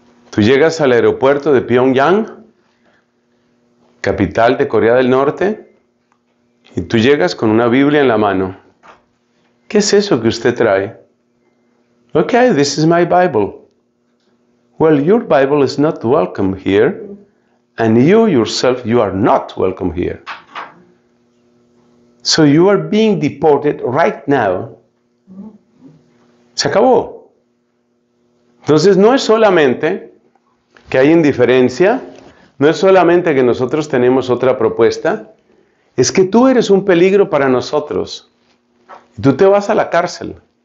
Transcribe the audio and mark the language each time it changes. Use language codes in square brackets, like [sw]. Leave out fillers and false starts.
[es] Tú llegas al aeropuerto de Pyongyang, capital de Corea del Norte, y tú llegas con una Biblia en la mano. ¿Qué es eso que usted trae? [en] Okay, this is my Bible. Well, your Bible is not welcome here, and you yourself, you are not welcome here. So you are being deported right now. [es] Se acabó. Entonces, no es solamente que hay indiferencia, no es solamente que nosotros tenemos otra propuesta, es que tú eres un peligro para nosotros. Tú te vas a la cárcel.